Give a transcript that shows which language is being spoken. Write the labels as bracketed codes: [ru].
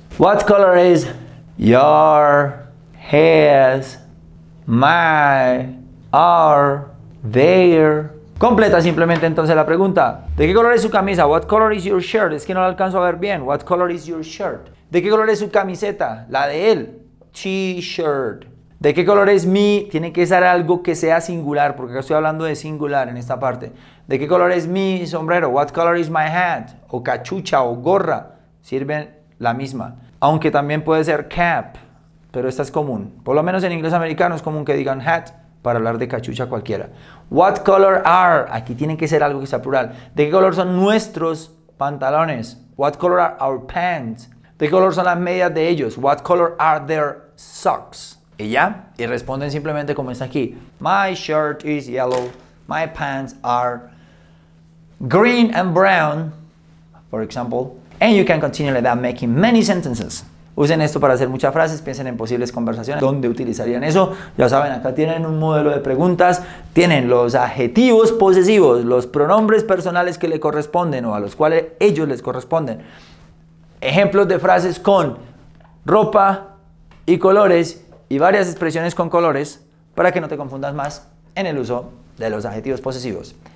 [en] What color is your hair, my, are, there. [es] Completa simplemente entonces la pregunta. ¿De qué color es su camisa? [en] What color is your shirt? [es] Es que no la alcanzo a ver bien. [en] What color is your shirt? [es] ¿De qué color es su camiseta? La de él. T-shirt. ¿De qué color es mi? Tiene que ser algo que sea singular, porque estoy hablando de singular en esta parte. ¿De qué color es mi sombrero? [en] What color is my hat? [es] O cachucha o gorra. Sirven la misma. Aunque también puede ser cap, pero esta es común. Por lo menos en inglés americano es común que digan hat para hablar de cachucha cualquiera. [en] What color are? [es] Aquí tiene que ser algo que sea plural. ¿De qué color son nuestros pantalones? [en] What color are our pants? [es] ¿De qué color son las medias de ellos? [en] What color are their socks? [es] Y ya, y responden simplemente como está aquí. [en] My shirt is yellow. My pants are green and brown, for example. And you can continue like that, making many sentences. [es] Usen esto para hacer muchas frases. Piensen en posibles conversaciones. ¿Dónde utilizarían eso? Ya saben, acá tienen un modelo de preguntas. Tienen los adjetivos posesivos, los pronombres personales que le corresponden o a los cuales ellos les corresponden. Ejemplos de frases con ropa y colores y varias expresiones con colores para que no te confundas más en el uso de los adjetivos posesivos.